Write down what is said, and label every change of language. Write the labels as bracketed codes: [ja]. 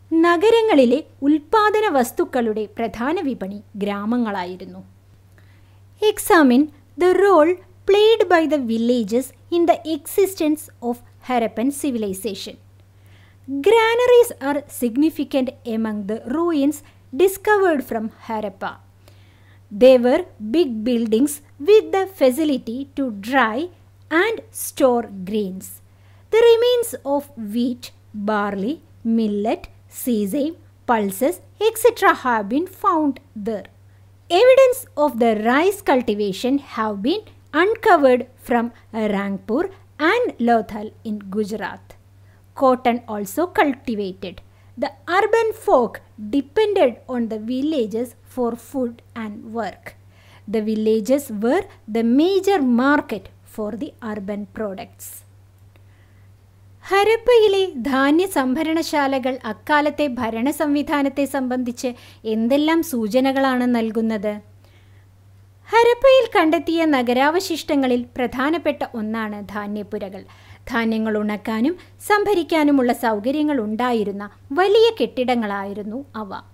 [ml] നഗരങ്ങളിലെ ഉൽപ്പാദന വസ്തുക്കളുടെ പ്രധാന വിപണി ഗ്രാമങ്ങളായിരുന്നു. [en] Examine the role played by the villages in the existence of Harappan civilisation. Granaries are significant among the ruins discovered from Harappa. They were big buildings with the facility to dry and store grains. The remains of wheat, barley, millet, sesame, pulses, etc. have been found there. Evidence of the rice cultivation have been uncovered from Rangpur and Lothal in Gujarat. Cotton also cultivated. The urban folk depended on the villages for food and work. The villages were the major market for the urban products. [ml] ഹരപ്പയിലെ ധാന്യ സംഭരണശാലകൾ അക്കാലത്തെ ഭരണ സംവിധാനത്തെ സംബന്ധിച്ച് എന്തെല്ലാം സൂചനകളാണ് നൽകുന്നത്? ഹരപ്പയിൽ കണ്ടെത്തിയ നഗരാവശിഷ്ടങ്ങളിൽ പ്രധാനപ്പെട്ട ഒന്നാണ് ധാന്യപ്പുരകൾ. ധാന്യങ്ങൾ ഉണക്കാനും സംഭരിക്കാനുമുള്ള സൗകര്യങ്ങൾ ഉണ്ടായിരുന്ന വലിയ കെട്ടിടങ്ങളായിരുന്നു അവ.